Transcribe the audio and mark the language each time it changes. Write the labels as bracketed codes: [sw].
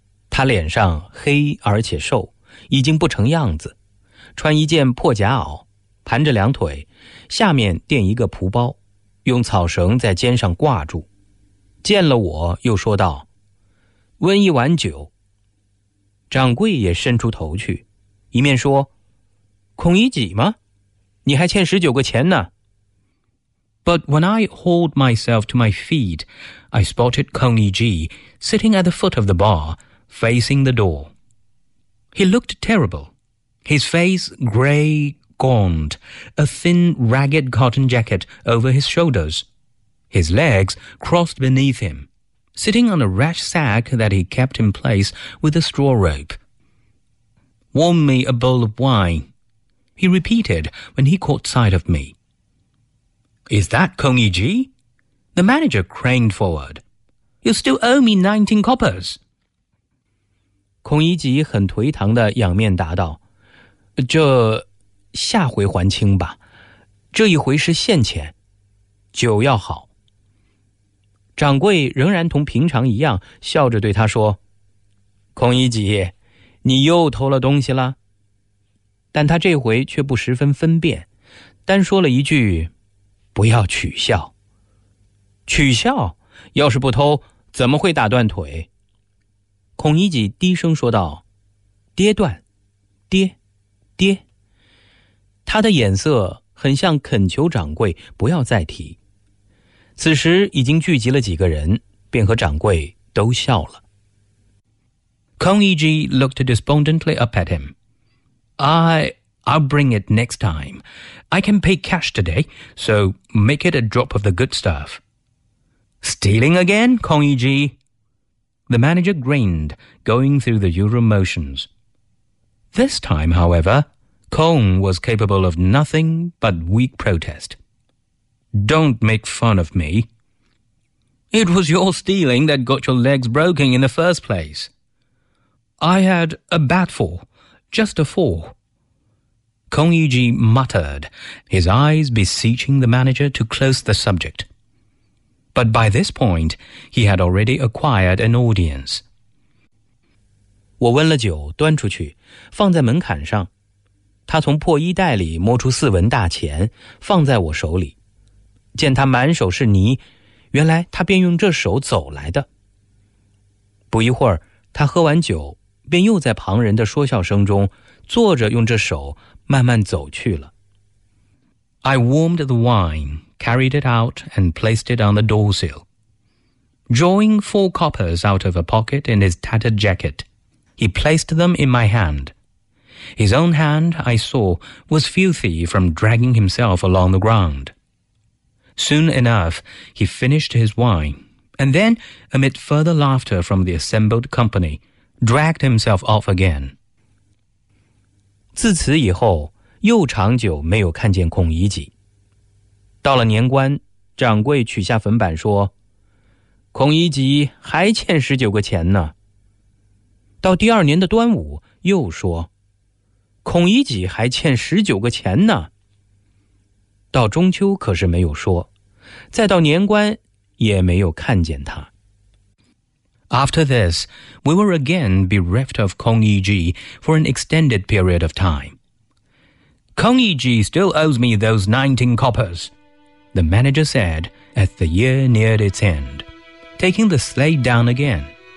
[zh] 他脸上黑而且瘦，已经不成样子，穿一件破夹袄，盘着两腿，下面垫一个蒲包，用草绳在肩上挂住。见了我又说道，温一碗酒。掌柜也伸出头去，一面说，孔乙己吗？你还欠十九个钱呢。 [en] But when I hauled myself to my feet, I spotted Kong Yiji sitting at the foot of the bar, facing the door. He looked terrible. His face grey, gaunt, a thin, ragged cotton jacket over his shoulders. His legs crossed beneath him. Sitting on a rash sack that he kept in place with a straw rope. Warm me a bowl of wine, he repeated when he caught sight of me. Is that Kong Yiji? The manager craned forward. You still owe me 19 coppers. [zh] 孔乙己很颓唐地仰面答道，这下回还清吧，这一回是现钱，酒要好。掌柜仍然同平常一样笑着对他说，孔乙己，你又偷了东西了。但他这回却不十分分辨，单说了一句，不要取笑。取笑？要是不偷怎么会打断腿？孔乙己低声说道，跌断，跌，跌。他的眼色很像恳求掌柜不要再提。此时已经聚集了几个人，便和掌柜都笑了。 [en] Kong Yiji looked despondently up at him. I'll bring it next time. I can pay cash today, so make it a drop of the good stuff. Stealing again, Kong Yiji? The manager grinned, going through the usual motions. This time, however, Kong was capable of nothing but weak protest. Don't make fun of me. It was your stealing that got your legs broken in the first place. I had a bat fall, just a fall. Kong Yiji muttered, his eyes beseeching the manager to close the subject. But by this point, he had already acquired an audience. [zh] 我温了酒，端出去，放在门槛上。他从破衣袋里摸出四文大钱，放在我手里。见他满手是泥，原来他便用这手走来的。不一会儿，他喝完酒，便又在旁人的说笑声中，坐着用这手慢慢走去了。 [en] I warmed the wine, carried it out, and placed it on the doorsill. Drawing four coppers out of a pocket in his tattered jacket, he placed them in my hand. His own hand, I saw, was filthy from dragging himself along the ground. Soon enough, he finished his wine, and then, amid further laughter from the assembled company, dragged himself off again. [zh] 自此以后，又长久没有看见孔乙己。到了年关，掌柜取下粉板说，孔乙己还欠十九个钱呢。到第二年的端午，又说，孔乙己还欠十九个钱呢。到中秋可是没有说，再到年关也没有看见他。 [en] After this, we were again bereft of Kong Yiji for an extended period of time. Kong Yiji still owes me those 19 coppers, the manager said as the year neared its end, taking the slate down again.